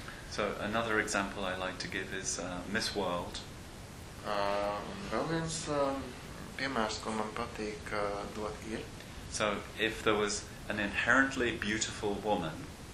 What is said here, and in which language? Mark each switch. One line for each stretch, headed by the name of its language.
English: So another example I like to give is Miss World.
Latvian: Vēl viens piemērs, ko man patīk dot ir.
English: So if there was an inherently beautiful woman.